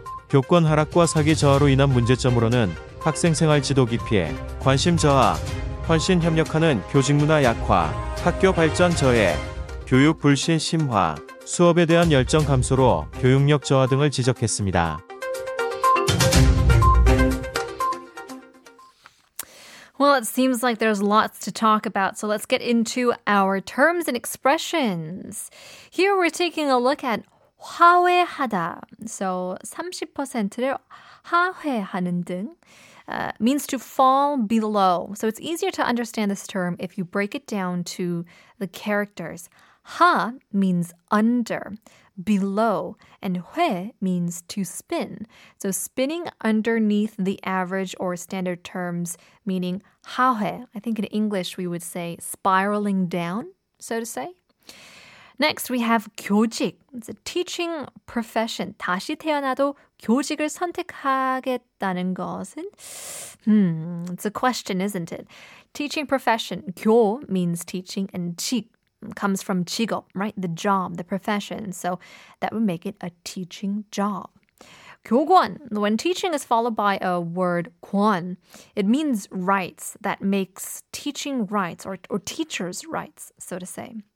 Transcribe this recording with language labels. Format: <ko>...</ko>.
<ko>교권 하락과 사기 저하로 인한 문제점으로는 학생 생활 지도 기피, 관심 저하, 헌신 협력하는 교직 문화 약화, 학교 발전 저해, 교육 불신 심화, 수업에 대한 열정 감소로 교육력 저하 등을 지적했습니다.</ko> <en>Well, it seems like there's lots to talk about, so let's get into our terms and expressions. Here we're taking a look at 하회하다. So</en> <ko>30%를 하회하는 등</ko> <en>means to fall below. So it's easier to understand this term if you break it down to the characters. Ha means under, below, and hue means to spin. So spinning underneath the average or standard terms, meaning hae. I think in English we would say spiraling down, so to say. Next, we have 교직. It's a teaching profession. 다시 태어나도 교직을 선택하겠다는 것은? It's a question, isn't it? Teaching profession. 교 means teaching and 직. Comes from 직업, right? The job, the profession. So that would make it a teaching job. 교권, when teaching is followed by a word 권, it means rights that makes teaching rights or teachers' rights, so to say.</en>